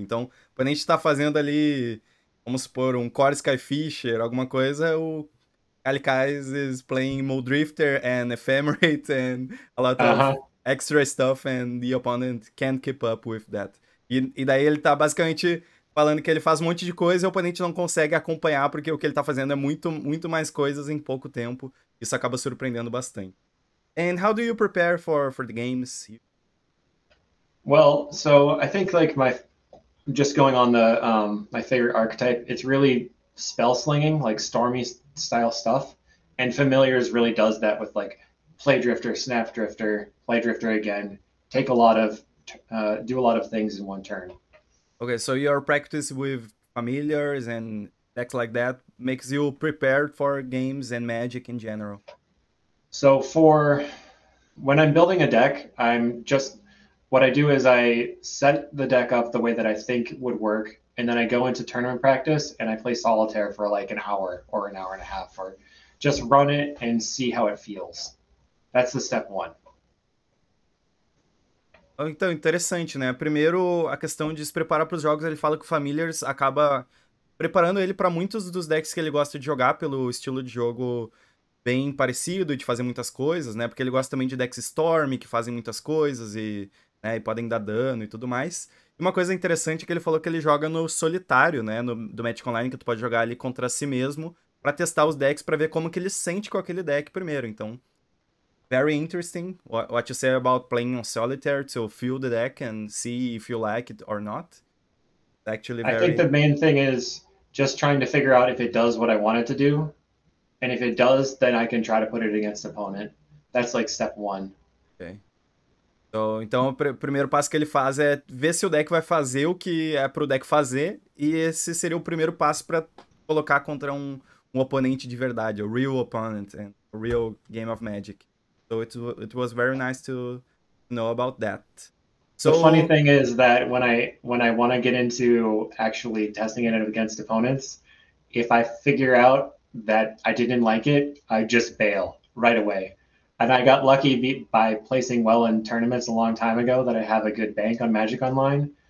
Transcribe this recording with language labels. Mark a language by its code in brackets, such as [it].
[pt] Então, o oponente está fazendo ali, vamos supor, um Core Skyfisher, alguma coisa, [en] o Kalikaiz is playing Moldrifter and Ephemerate and a lot of extra stuff and the opponent can't keep up with that. [pt] E daí ele tá basicamente falando que ele faz um monte de coisa e o oponente não consegue acompanhar porque o que ele tá fazendo é muito, muito mais coisas em pouco tempo. Isso acaba surpreendendo bastante. [en] And how do you prepare for the games? Well, so I think like my just going on the my favorite archetype, it's really spell slinging, like stormy style stuff, and familiars really does that with like play drifter, snap drifter, play drifter again, take a lot of do a lot of things in one turn. Okay, so your practice with familiars and decks like that makes you prepared for games and magic in general. So for when I'm building a deck, I'm just what I do is I set the deck up the way that I think would work, and then I go into tournament practice and I play solitaire for like an hour or an hour and a half, or just run it and see how it feels. That's the step one. [pt] Então, interessante, né? Primeiro, a questão de se preparar para os jogos, ele fala que o Familiars acaba preparando ele para muitos dos decks que ele gosta de jogar, pelo estilo de jogo bem parecido, de fazer muitas coisas, né? Porque ele gosta também de decks Storm, que fazem muitas coisas e, né, e podem dar dano e tudo mais. E uma coisa interessante é que ele falou que ele joga no solitário, né? Do Magic Online, que tu pode jogar ali contra si mesmo, para testar os decks, para ver como que ele sente com aquele deck primeiro. [en] Então. Very interesting. What you say about playing on solitaire to feel the deck and see if you like it or not. Actually I think the very. main thing is just trying to figure out if it does what I want it to do. And if it does, then I can try to put it against opponent. That's like step one. Okay. [pt] Então, o primeiro passo que ele faz é ver se o deck vai fazer o que é pro deck fazer, e esse seria o primeiro passo para colocar contra um oponente de verdade, o [en] real opponent, and real game of Magic. So it was very nice to know about that. The funny So thing is that when I want to get into actually testing it against opponents, if I figure out that I didn't like it, I just bail right away. And I got lucky by placing well in tournaments a long time ago that I have a good bank on Magic Online.